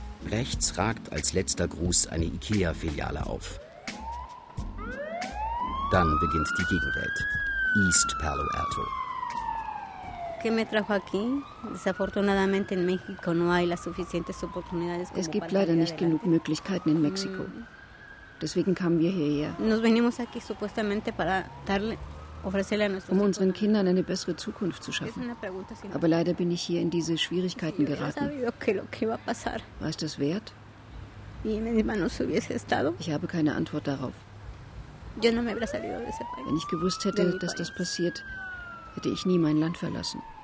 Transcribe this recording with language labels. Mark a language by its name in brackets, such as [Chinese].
[German] Rechts ragt als letzter Gruß eine IKEA-Filiale auf. Dann beginnt die Gegenwelt. East Palo Alto. Es gibt leider nicht genug Möglichkeiten in Mexiko. Deswegen kamen wir hierher. [Spanish] Nos venimos aquí supuestamente para darle, ofrecerle a nuestros hijos. [German] Um unseren Kindern eine bessere Zukunft zu schaffen. Aber leider bin ich hier in diese Schwierigkeiten geraten. War es das wert? Ich habe keine Antwort darauf. Wenn ich gewusst hätte, dass das passiert, hätte ich nie mein Land verlassen.